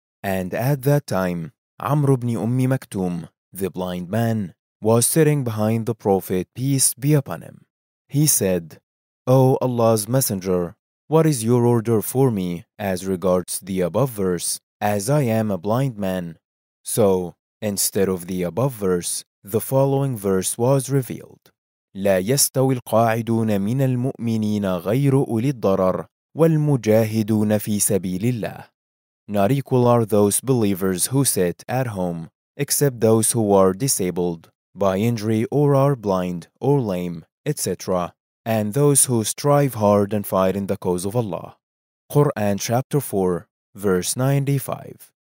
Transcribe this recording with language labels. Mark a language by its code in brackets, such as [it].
[en] And at that time, Amr ibn Ummi Maktum, the blind man, was sitting behind the Prophet, peace be upon him. He said, "O Allah's Messenger, what is your order for me as regards the above verse, as I am a blind man?" So, instead of the above verse, the following verse was revealed, [ar] "لا يستوي القاعدون من المؤمنين غير أولي الضرر والمجاهدون في سبيل الله." [en] Not equal are those believers who sit at home, except those who are disabled by injury or are blind or lame, etc., and those who strive hard and fight in the cause of Allah. Quran chapter 4, verse 95.